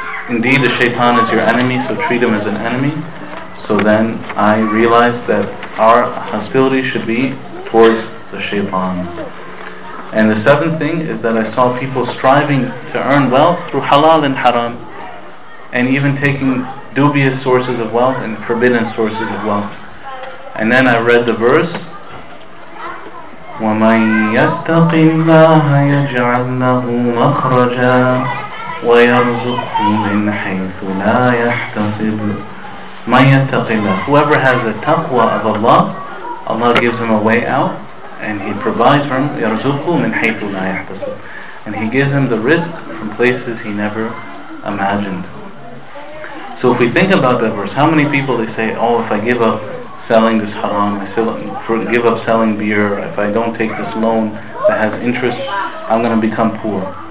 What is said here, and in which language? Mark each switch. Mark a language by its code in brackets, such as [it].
[en] indeed the shaitan is your enemy, so treat him as an enemy. So then I realized that our hostility should be towards the shaitan. And the seventh thing is that I saw people striving to earn wealth through halal and haram, and even taking dubious sources of wealth and forbidden sources of wealth. And then I read the verse, [ar] وَمَنْ يَتَّقِ اللَّهَ يَجْعَلْ لَهُ مَخْرَجًا وَيَرْزُقْهُ مِنْ حَيْثُ لَا يَحْتَسِبُ. مَنْ يَتَّقِ اللَّهَ, [en] whoever has the taqwa of Allah, Allah gives him a way out, and he provides from [ar] يَرْزُقُهُ مِنْ حَيْثُ لَا يَحْتَسِبُ, [en] and he gives him the risk from places he never imagined. So if we think about that verse, how many people, they say, oh, if I give up selling this haram, give up selling beer, if I don't take this loan that has interest, I'm going to become poor.